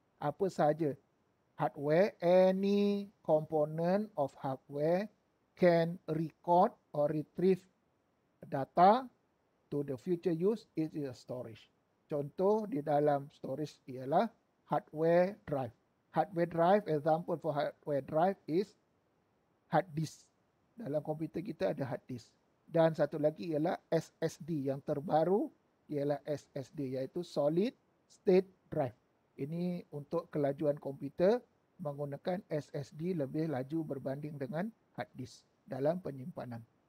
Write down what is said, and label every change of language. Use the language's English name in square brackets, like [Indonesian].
[Malay] Apa sahaja [English] hardware, any component of hardware can record or retrieve data to the future use, it is a storage. [Malay] Contoh di dalam storage ialah hardware drive. [English] Hardware drive, example for hardware drive is hard disk. [Malay] Dalam komputer kita ada hard disk. Dan satu lagi ialah SSD. Yang terbaru ialah SSD, iaitu solid state drive. Ini untuk kelajuan komputer menggunakan SSD lebih laju berbanding dengan hard disk dalam penyimpanan.